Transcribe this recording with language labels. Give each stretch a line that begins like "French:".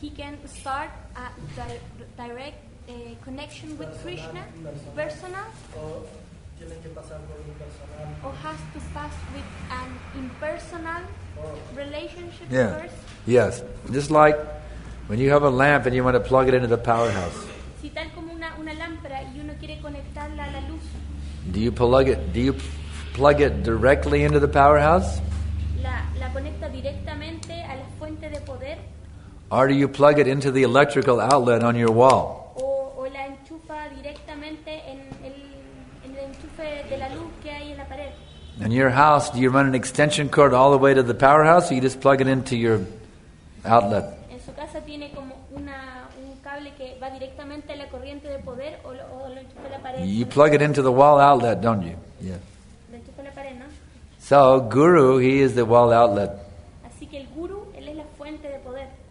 English: He can start a direct connection personal, with Krishna,
Spanish: personal. Tiene que pasar por impersonal.
English: Or has to pass with an impersonal relationship first. Yes, just like when you have a lamp and you want to plug it into the powerhouse.
Spanish: Si tal como una lámpara y uno quiere conectarla a la luz.
English: Do you plug it directly into the powerhouse?
Spanish: La conecta directamente a la fuente de poder.
English: Or do you plug it into the electrical outlet on your wall?
Spanish: O la enchufa directamente en el enchufe de la luz que hay en la pared.
English: In your house, do you run an extension cord all the way to the powerhouse, or you just plug it into your outlet?
Spanish: En su casa tiene como un cable que va directamente a la corriente de poder o lo enchufa la pared.
English: You plug it into the wall outlet, don't you? Yeah.
Spanish: Lo enchufa la pared, ¿no?
English: So Guru, he is the wall outlet.
Spanish: Así que el Guru, él es la fuente de poder.